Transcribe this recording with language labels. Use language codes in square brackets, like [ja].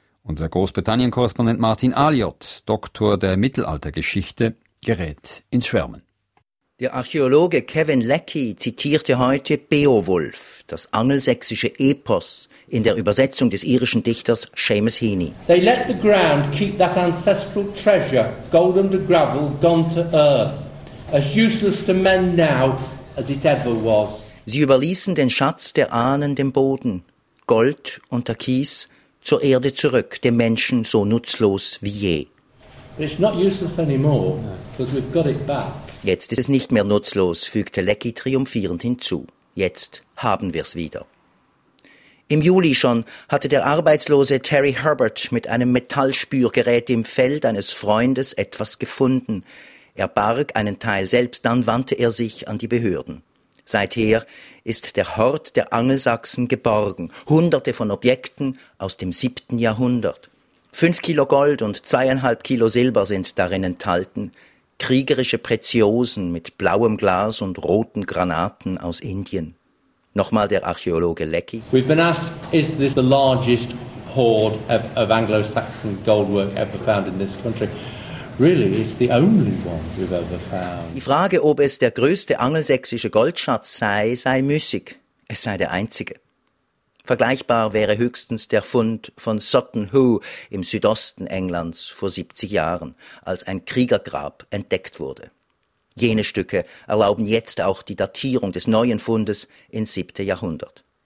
[de] Unser Großbritannien-Korrespondent Martin Aliot, Doktor der Mittelaltergeschichte, gerät ins Schwärmen. Der Archäologe Kevin Leckie zitierte heute Beowulf, das angelsächsische Epos, in der Übersetzung des irischen Dichters Seamus Heaney. [en] They let the ground keep that ancestral treasure, gold under gravel, gone to earth, as useless to men now as it ever was. [de] Sie überließen den Schatz der Ahnen dem Boden, Gold und der Kies, zur Erde zurück, dem Menschen so nutzlos wie je. [en] But it's not useless anymore, because we've got it back. [de] Jetzt ist es nicht mehr nutzlos, fügte Lecky triumphierend hinzu. Jetzt haben wir's wieder. Im Juli schon hatte der arbeitslose Terry Herbert mit einem Metallspürgerät im Feld eines Freundes etwas gefunden. Er barg einen Teil selbst, dann wandte er sich an die Behörden. Seither ist der Hort der Angelsachsen geborgen, hunderte von Objekten aus dem 7. Jahrhundert. 5 Kilo Gold und 2,5 Kilo Silber sind darin enthalten, kriegerische Preziosen mit blauem Glas und roten Granaten aus Indien. Nochmal der Archäologe Lecky. [en] We've been asked, is this the largest hoard of Anglo-Saxon goldwork ever found in this country? Really, it's the only one we've ever found. [de] Die Frage, ob es der größte angelsächsische Goldschatz sei, sei müßig. Es sei der einzige. Vergleichbar wäre höchstens der Fund von Sutton Hoo im Südosten Englands vor 70 Jahren, als ein Kriegergrab entdeckt wurde. Jene Stücke erlauben jetzt auch die Datierung des neuen Fundes ins 7. Jahrhundert.